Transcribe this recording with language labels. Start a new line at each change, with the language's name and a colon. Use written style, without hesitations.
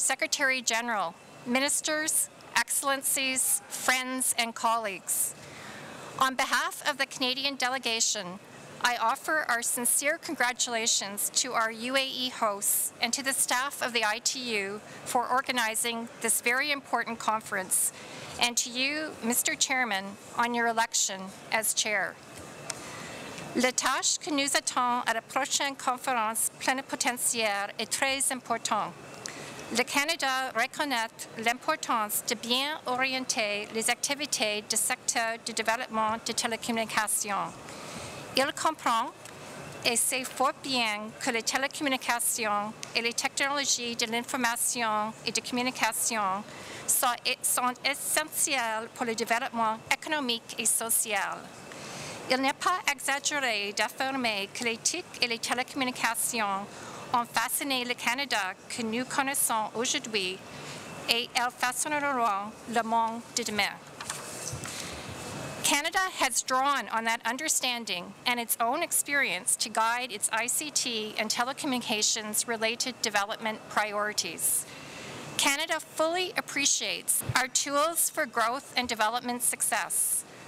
English: Secretary General, ministers, excellencies, friends, and colleagues, on behalf of the Canadian delegation, I offer our sincere congratulations to our UAE hosts and to the staff of the ITU for organizing this very important conference, and to you, Mr. Chairman, on your election as chair.
French: La tâche que nous attend à la prochaine conférence plénipotentiaire est très importante. Le Canada reconnaît l'importance de bien orienter les activités du secteur du développement de télécommunications. Il comprend et sait fort bien que les télécommunications et les technologies de l'information et de communication sont essentielles pour le développement économique et social. Il n'est pas exagéré d'affirmer que les TIC et les télécommunications ont façonné le Canada que nous connaissons aujourd'hui et elles façonneront le monde de demain.
English: Canada has drawn on that understanding and its own experience to guide its ICT and telecommunications related development priorities. Canada fully appreciates our tools for growth and development success.